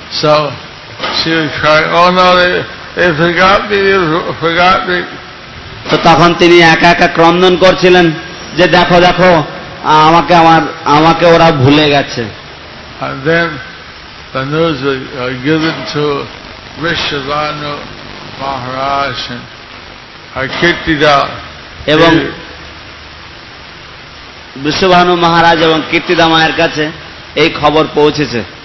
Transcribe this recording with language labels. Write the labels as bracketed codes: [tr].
[en] So she was crying, oh no, they forgot me. [bn] তো তখন তিনি একা একা ক্রন্দন করছিলেন যে দেখো দেখো, আমাকে আমার আমাকে ওরা ভুলে গেছে। [en] And then the news was given to Vishwavanu Maharaj and Kirtida. [bn] এবং বিশ্বভানু মহারাজ এবং কীর্তিদা মায়ের কাছে এই খবর পৌঁছেছে।